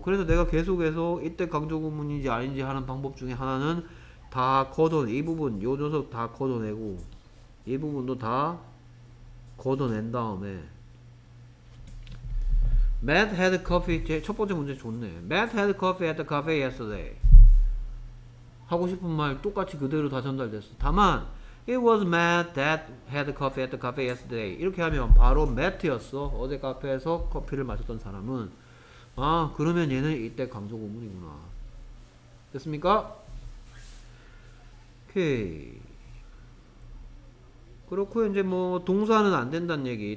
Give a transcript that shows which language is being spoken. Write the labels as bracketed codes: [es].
[ko] 그래서 내가 계속해서 이때 강조구문인지 아닌지 하는 방법 중에 하나는 다 걷어내. 이 부분 요 녀석 다 걷어내고 이 부분도 다 걷어낸 다음에 [en] Matt had coffee. [ko] 첫 번째 문제 좋네. [en] Matt had coffee at the cafe yesterday. [ko] 하고 싶은 말 똑같이 그대로 다 전달됐어. 다만 [en] It was Matt that had coffee at the cafe yesterday. [ko] 이렇게 하면 바로 Matt였어. 어제 카페에서 커피를 마셨던 사람은. 아 그러면 얘는 이때 강조구문이구나. 됐습니까? 오케이. 그렇고 이제 뭐 동사는 안 된다는 얘기.